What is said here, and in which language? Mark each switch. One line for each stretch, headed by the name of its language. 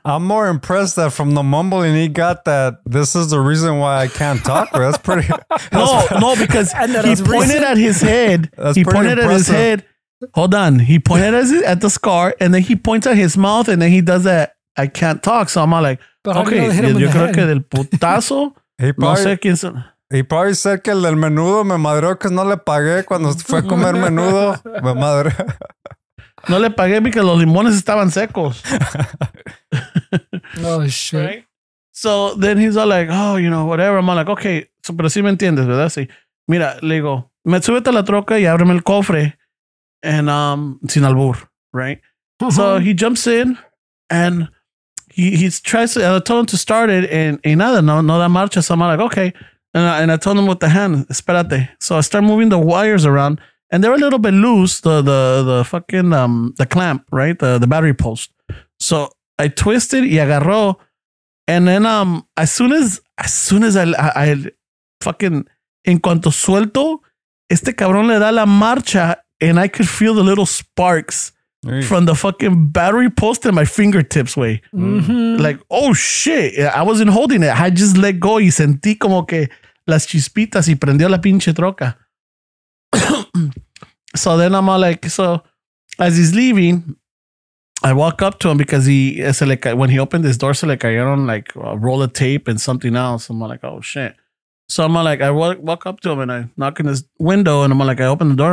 English: I'm more impressed that from the mumbling he got that this is the reason why I can't talk. That's pretty. No, because he pointed at his head. He pointed at his head. Hold on. He pointed at the scar and then he points at his mouth and then he does that. I can't talk. So I'm like, okay,
Spanish: yo creo que del putazo.
English: He probably said
Spanish: que el del menudo me madreó que no le pagué cuando fue a comer menudo. Me madre. No le pagué porque los limones estaban secos.
English: Oh, shit. Right? So then he's all like, oh, you know, whatever. I'm all like, okay, so,
Spanish: pero sí me entiendes, ¿verdad? Sí. Mira, le digo, me súbete a la troca y ábreme el cofre.
English: And
Spanish: sin albur,
English: right? Uh-huh. So he jumps in and he tries to, I told him to start it and
Spanish: nada, no da marcha.
English: So I'm all like, okay. And I told him with the hand,
Spanish: espérate.
English: So I start moving the wires around. And they're a little bit loose, the fucking the clamp, right? The battery post. So I twisted
Spanish: y agarró.
English: And then as soon as I fucking
Spanish: en cuanto suelto, este cabrón le da la marcha
English: and I could feel the little sparks from the fucking battery post in my fingertips way. Mm-hmm. Like, oh shit. I wasn't holding it. I just let go
Spanish: y sentí como que las chispitas y prendió la pinche troca.
English: So then I'm all like, so as he's leaving, I walk up to him because when he opened his door, so like I don't like a roll of tape and something else. I'm like, oh shit. So I'm like, I walk up to him and I knock on his window and I'm like, I open the door.